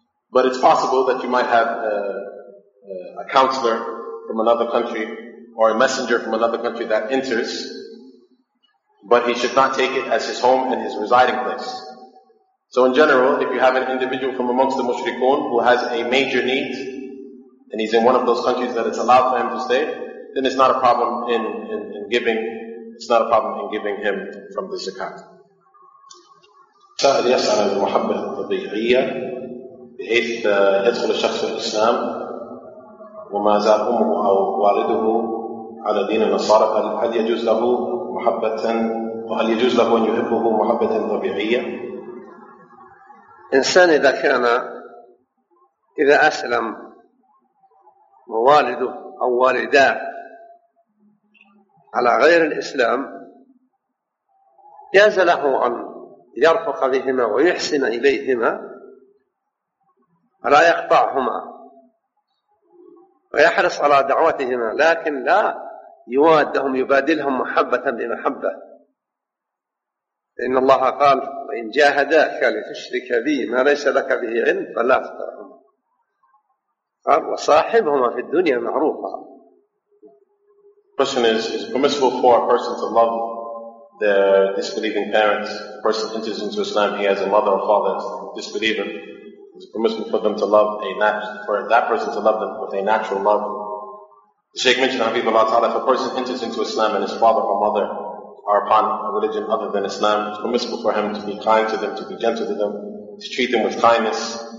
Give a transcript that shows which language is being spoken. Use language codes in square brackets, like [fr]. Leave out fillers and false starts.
[en] But it's possible that you might have a counselor from another country or a messenger from another country that enters, but he should not take it as his home and his residing place. So in general, if you have an individual from amongst the mushrikun who has a major need, and he's in one of those countries that it's allowed for him to stay, then it's not a problem in giving, it's not a problem in giving him from the zakat. [ar] سأل يسأل المحبة الطبيعية بحيث يدخل الشخص الإسلام وما زال أمه أو والده على دين النصارى هل يجوز له محبة وهل يجوز له أن يحبه محبة طبيعية؟ إنسان إذا كان إذا أسلم والده أو والداه على غير الإسلام جاز له أن يرفق بهما ويحسن إليهما لا يقطعهما ويحرص على دعوتهما لكن لا يوادهم يبادلهم محبة بمحبة إن الله قال وإن جاهداك لتشرك بي ما ليس لك به علم فلا تطعهما قال وصاحبهما في الدنيا معروفا. [en] Question is permissible for a person to love their disbelieving parents? A person enters into Islam, he has a mother or father that's disbelieving. It's permissible for them to love for that person to love them with a natural love. The Shaykh mentioned Habibullah Ta'ala, if a person enters into Islam and his father or mother are upon a religion other than Islam, it's permissible for him to be kind to them, to be gentle to them, to treat them with kindness.